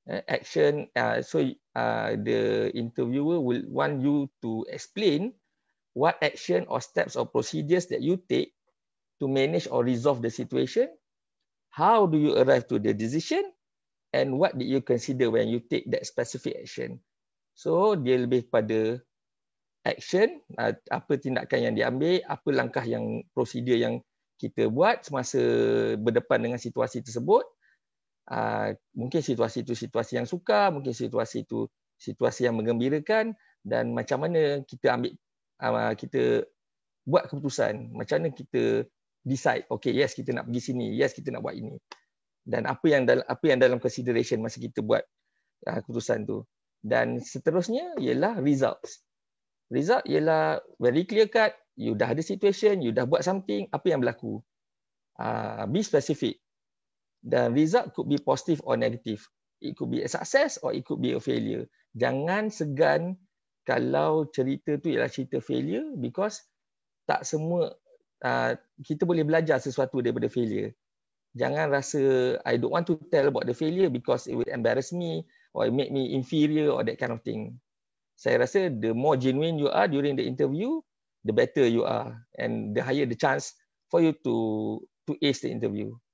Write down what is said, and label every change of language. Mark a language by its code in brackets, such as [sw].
[en] Action, the interviewer will want you to explain what action or steps or procedures that you take to manage or resolve the situation. How do you arrive to the decision? And what did you consider when you take that specific action? So, [ms] dia lebih kepada action, apa tindakan yang diambil, apa langkah yang prosedur yang kita buat semasa berdepan dengan situasi tersebut. Mungkin situasi itu situasi yang sukar, mungkin situasi itu situasi yang menggembirakan, dan macam mana kita ambil, kita buat keputusan, macam mana kita decide, [en] okay, yes, [ms] kita nak pergi sini, yes, kita nak buat ini. Dan apa yang dalam consideration masa kita buat keputusan tu. Dan seterusnya ialah results. [en] Result [ms] ialah [en] very clear cut, you [ms] dah ada [en] situation, you [ms] dah buat [en] something, [ms] apa yang berlaku. [en] Be specific. [ms] Dan [en] result could be positive or negative. It could be a success or it could be a failure. [ms] Jangan segan kalau cerita tu ialah cerita failure, [en] because [ms] tak semua, kita boleh belajar sesuatu daripada failure. Jangan rasa, [en] I don't want to tell about the failure because it will embarrass me or it make me inferior or that kind of thing. [ms] Saya rasa [en] the more genuine you are during the interview, the better you are and the higher the chance for you to ace the interview.